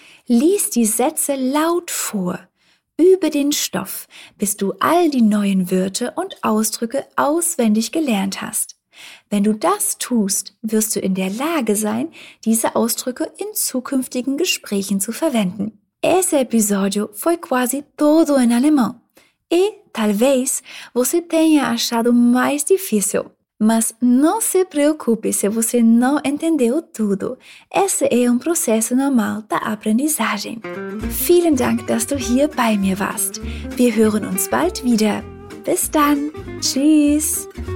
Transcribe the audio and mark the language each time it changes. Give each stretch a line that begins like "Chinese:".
German: Lies die Sätze laut vor, übe den Stoff, bis du all die neuen Wörter und Ausdrücke auswendig gelernt hast. Wenn du das tust, wirst du in der Lage sein, diese Ausdrücke in zukünftigen Gesprächen zu verwenden.
Portuguese: Esse episodio foi quasi todo in alemão. E talvez você tenha achado mais difícil. Mas não se preocupe se você não entendeu tudo. Esse é processo normal da Aprendizagem.
German: Vielen Dank, dass du hier bei mir warst. Wir hören uns bald wieder. Bis dann. Tschüss.